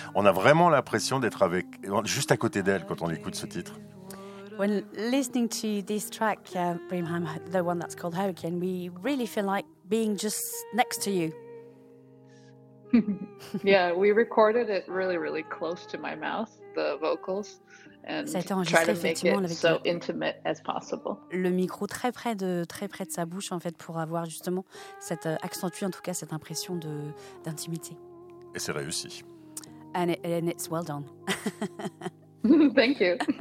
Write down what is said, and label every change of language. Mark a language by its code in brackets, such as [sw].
[fr] On a vraiment l'impression d'être avec, juste à côté d'elle quand on écoute ce titre. [en] When listening to this track, Brimheim, the one that's called Hurricane, we really feel like being just next to you. Yeah, we recorded it really, really close to my mouth, the vocals, and tried to make it so intimate as possible. [fr] Le micro très près de sa bouche, en fait, pour avoir justement cette accentué, en tout cas, cette impression de d'intimité. Et c'est réussi. [en] And it's well done. Thank you.